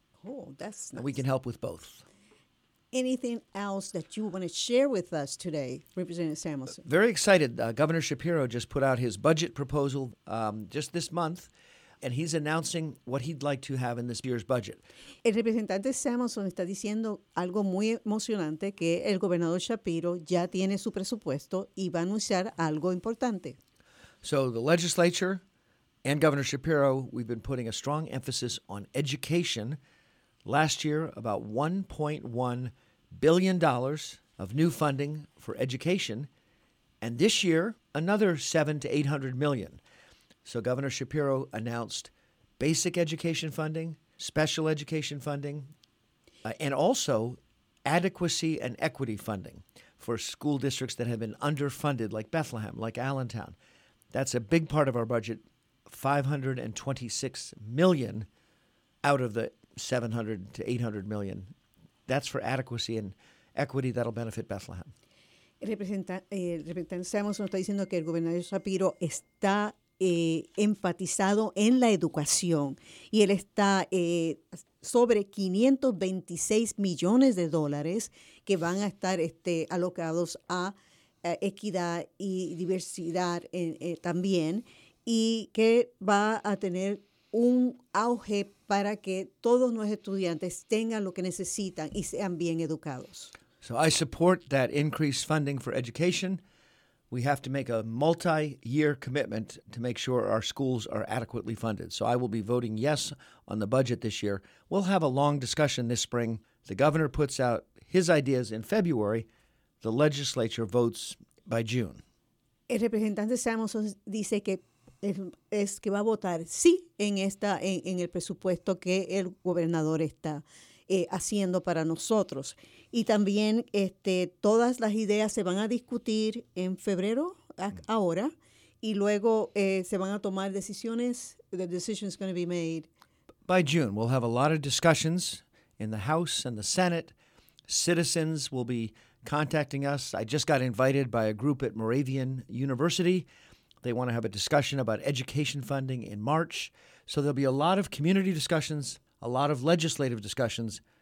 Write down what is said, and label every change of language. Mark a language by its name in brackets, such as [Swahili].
[English] Oh, that's nice. And we can help with both. Anything else that you want to share with us today, Representative Samuelson? Very excited. Governor Shapiro just put out his budget proposal just this month, and he's announcing what he'd like to have in this year's budget. [Spanish] El representante Samuelson está diciendo algo muy emocionante, que el gobernador Shapiro ya tiene su presupuesto y va a anunciar algo importante. [English] So the legislature and Governor Shapiro, we've been putting a strong emphasis on education. Last year, about $1.1 billion of new funding for education. And this year, another $700 to $800 million. So Governor Shapiro announced basic education funding, special education funding, and also adequacy and equity funding for school districts that have been underfunded, like Bethlehem, like Allentown. That's a big part of our budget, $526 million out of the $700 to $800 million. That's for adequacy and equity that'll benefit Bethlehem. [Spanish] Representante, está diciendo que el gobernador Shapiro está enfatizado en la educación y él está sobre $526 millones que van a estar alocados a equidad y diversidad también, y que va a tener un auge para que todos nuestros estudiantes tengan lo que necesitan y sean bien educados. [English] So I support that increased funding for education. We have to make a multi-year commitment to make sure our schools are adequately funded. So I will be voting yes on the budget this year. We'll have a long discussion this spring. The governor puts out his ideas in February. The legislature votes by June. [Spanish] El representante Samuelson dice que es que va a votar sí en esta en el presupuesto que el gobernador está haciendo para nosotros. Y también todas las ideas se van a discutir en febrero, ahora, y luego se van a tomar decisiones. [English] The decision is going to be made. By June, we'll have a lot of discussions in the House and the Senate. Citizens will be contacting us. I just got invited by a group at Moravian University. They want to have a discussion about education funding in March. So there'll be a lot of community discussions, a lot of legislative discussions.